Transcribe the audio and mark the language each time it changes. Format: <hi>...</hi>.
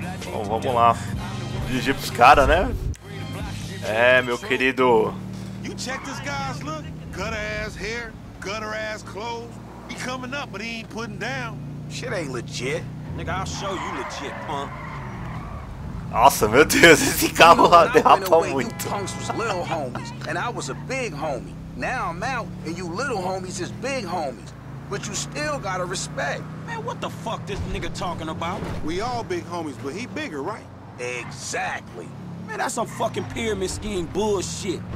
<pt>Bom, vamos lá. Dirigir pros caras, né? É, meu querido.</pt> <en>You check this guy's look? Gutter ass hair, gutter ass clothes. He coming up, but he ain't putting down. Shit ain't legit. Nigga, I'll show you legit, punk.</en> <pt>Nossa, meu Deus, esse carro lá derrapou muito.</pt> <en>Little homies, and I was a big homie. Now I'm out, and you little homies is big homies. But you still gotta respect. Man, what the fuck this nigga talking about? We all big homies, but he bigger, right? Exactly. Man, that's some fucking pyramid scheme bullshit.</en>